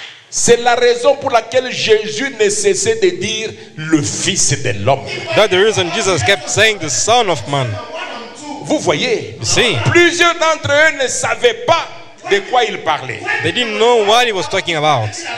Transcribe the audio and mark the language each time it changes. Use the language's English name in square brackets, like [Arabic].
[French] C'est la raison pour laquelle Jésus ne cessait de dire le Fils de l'homme. [English] That's the reason Jesus kept saying the Son of Man. [French] Vous voyez, plusieurs d'entre eux ne savaient pas de quoi il parlait. [English] They didn't know what he was talking about.